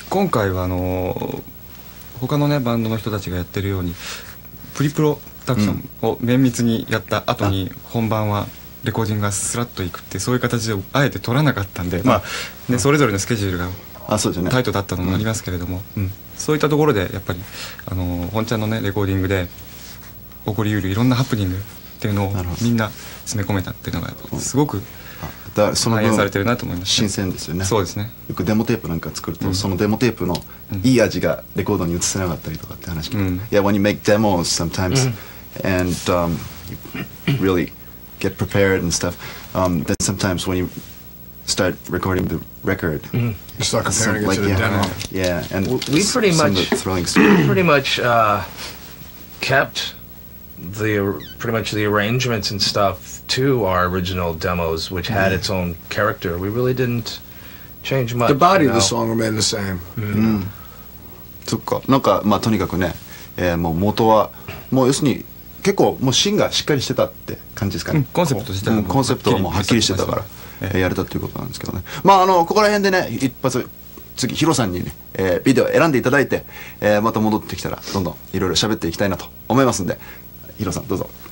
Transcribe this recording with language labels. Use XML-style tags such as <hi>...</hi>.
<ja>今回は他の、ね、バンドの人たちがやってるようにプリプロダクションを綿密にやった後に本番はレコーディングがスラッといくってそういう形であえて撮らなかったんで、まあね、それぞれのスケジュールがタイトだったのもありますけれども、そういったところでやっぱり本ちゃんの、ね、レコーディングで起こりうるいろんなハプニングっていうのをみんな詰め込めたっていうのがすごく反映されてるなと思いました。新鮮ですよね。そうですね。よくデモテープなんか作ると、そのデモテープのいい味がレコードに映せなかったりとかって話聞く。</ja> <en>Yeah, when you make demos sometimes, and you really get prepared and stuff, then sometimes when you start recording the record, you start comparing it to the demo. Yeah, and we pretty much kept the arrangements and stuff to our original demos, which had its own character. We really didn't change much. The body of the song remained the same.</en> <ja>そっか、なんかまあとにかくね、もう元はもう要するに結構もう芯がしっかりしてたって感じですかね。コンセプト自体も、コンセプトもはっきりしてたからやれたということなんですけどね。まああのここら辺でね一発次ヒロさんにね、ビデオ選んでいただいて、また戻ってきたらどんどんいろいろ喋っていきたいなと思いますんで、ヒロさんどうぞ。</ja>